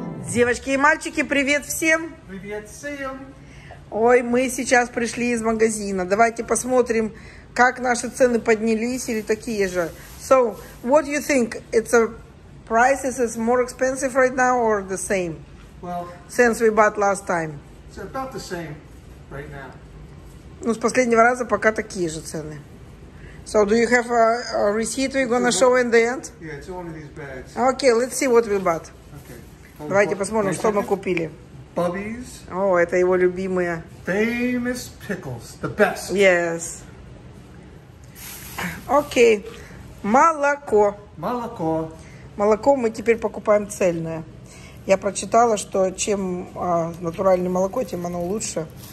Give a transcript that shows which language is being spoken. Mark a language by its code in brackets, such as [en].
[ru] Девочки и мальчики, привет всем! Привет всем! Ой, мы сейчас пришли из магазина. Давайте посмотрим, как наши цены поднялись или такие же. [en] So, what do you think? It's a price is more expensive right now or the same? Well, since we bought last time. It's about the same right now. [ru] Ну, с последнего раза пока такие же цены. [en] So, do you have a receipt we're gonna show in the end? Yeah, it's one of these bags. Okay, let's see what we bought. [ru] Давайте посмотрим, что мы купили. [en] Bubbies. [ru] О, это его любимые. [en] Famous pickles, the best. Yes. [ru] Окей. Молоко. Молоко. Молоко мы теперь покупаем цельное. Я прочитала, что чем натуральное молоко, тем оно лучше.